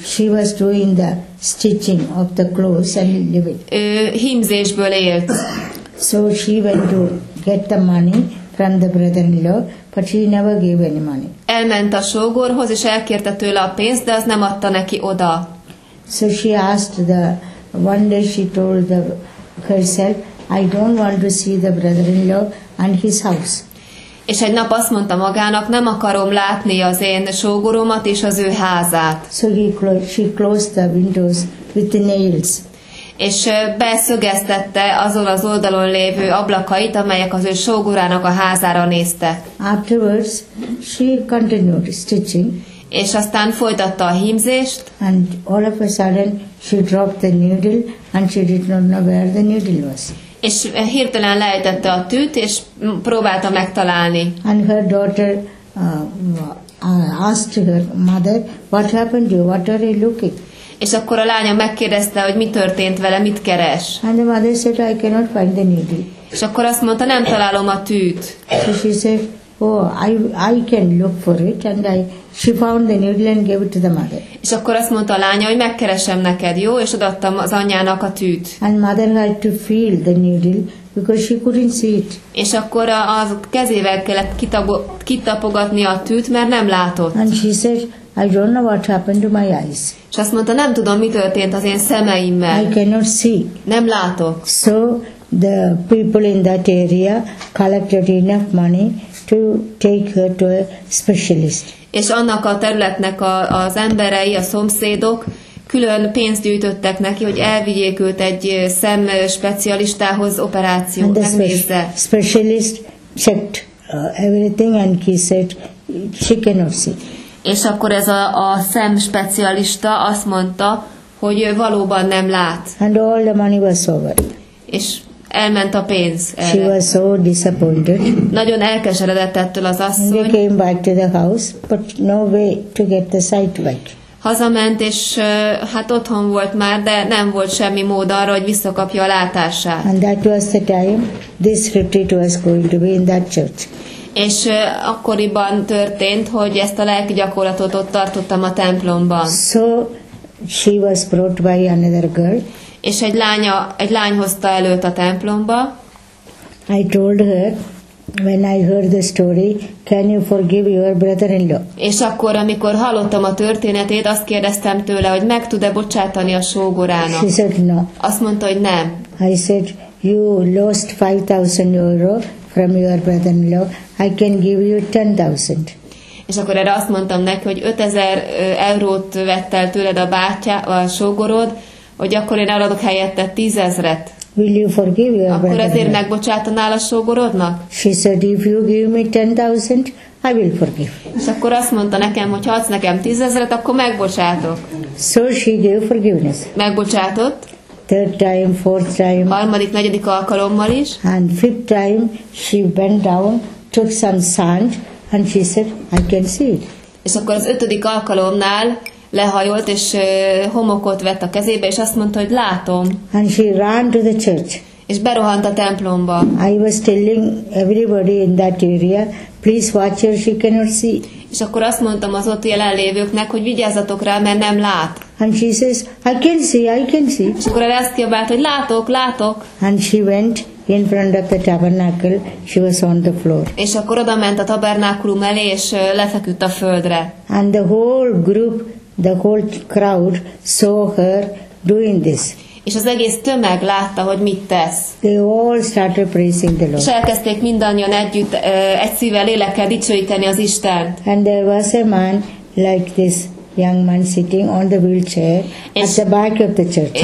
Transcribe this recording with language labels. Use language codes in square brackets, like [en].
[en] She was doing the stitching of the clothes and living. [hu] Hímzésből élt. [en] So she went to get the money from the brother-in-law, but she never gave any money. [hu] Elment a sógorhoz és elkérte tőle a pénzt, de az nem adta neki oda. [en] So she asked the one day she told the herself, I don't want to see the brother-in-law and his house. [hu] És egy nap azt mondta magának, nem akarom látni az én sógoromat és az ő házát. [en] So she closed the windows with the nails. [hu] És beszögeztette azon az oldalon lévő ablakait, amelyek az ő sógorának a házára néztek. [en] Afterwards she continued stitching. [hu] És aztán folytatta a hímzést. [en] And all of a sudden she dropped the needle and she did not know where the needle was. [hu] És hirtelen lejtette a tűt, és próbálta megtalálni. [en] And her daughter asked her mother, what happened to you, what are you looking? [hu] És akkor a lánya megkérdezte, hogy mi történt vele, mit keres. [en] And the mother said, I cannot find the needle. [hu] És akkor azt mondta, nem találom a tűt. [en] So she said, oh, I can look for it, and she found the needle and gave it to the mother. [hu] És akkor azt mondta a lánya, hogy megkeresem neked, jó? És odaadtam az anyjának a tűt. [en] And mother had to feel the needle, because she couldn't see it. [hu] És akkor az kezével kellett kitapogatni a tűt, mert nem látott. [en] And she said, I don't know what happened to my eyes. [hu] És azt mondta, nem tudom, mi történt az én szemeimmel. [en] I cannot see. [hu] Nem látok. [en] So the people in that area collected enough money to take her to a specialist. [hu] És annak a területnek az emberei, a szomszédok külön pénzt gyűjtöttek neki, hogy elvigyék őt egy szem specialistához operációra. [en] And the specialist checked everything and he said she cannot see. [hu] És akkor ez a szem specialista azt mondta, hogy ő valóban nem lát. [en] And all the money was over. [hu] És elment a pénz. [en] She was so disappointed. [hu] Nagyon elkeseredett ettől az asszony. [en] And they came back to the house, but no way to get the sight back. [hu] Hazament, és hát otthon volt már, de nem volt semmi mód arra, hogy visszakapja a látását. [en] And that was the time this retreat was going to be in that church. [hu] És akkoriban történt, hogy ezt a lelki gyakorlatot ott tartottam a templomban. [en] So she was brought by another girl. [hu] És egy lány hozta előt a templomba. [en] I told her, when I heard the story, can you forgive your brother-in-law? [hu] És akkor, amikor hallottam a történetét, azt kérdeztem tőle, hogy meg tud-e bocsátani a sógorának. [en] She said no. [hu] Azt mondta, hogy nem. [en] I said, you lost 5,000 euro from your brother-in-law. I can give you 10,000. [hu] És akkor erre azt mondtam neki, hogy 5000 eurót vett el tőled a bátya, a sógorod, hogy akkor én eladok helyette 10,000-et. [en] Will you forgive your brother? [hu] Akkor ezért megbocsátanál a sógorodnak? [en] She said, if you give me 10,000, I will forgive. [hu] És akkor azt mondta nekem, hogy ha adsz nekem 10,000-et, akkor megbocsátok. [en] So she gave forgiveness. [hu] Megbocsátott. [en] Third time, fourth time. [hu] Harmadik, negyedik alkalommal is. [en] And fifth time, she bent down, took some sand, and she said, I can see it. [hu] És akkor az ötödik alkalomnál lehajolt, és homokot vett a kezébe, és azt mondta, hogy látom. [en] And she ran to the church. [hu] És berohant a templomba. [en] I was telling everybody in that area, please watch her, she cannot see. [hu] És akkor azt mondtam az ott jelenlévőknek, hogy vigyázzatok rá, mert nem lát. [en] And she says, I can see, I can see. [hu] És akkor azt kiabált, hogy látok, látok. [en] And she went in front of the tabernacle, she was on the floor. [hu] És akkor oda ment a tabernákulum elé, és lefeküdt a földre. [en] And the whole group, the whole crowd saw her doing this. [hu] És az egész tömeg látta, hogy mit tesz. [en] They all started praising the Lord. [hu] És elkezdték mindannyian együtt, egy szívvel, lélekkel dicsőíteni az Istent. [en] And there was a man like this young man sitting on the wheelchair at the back of the church.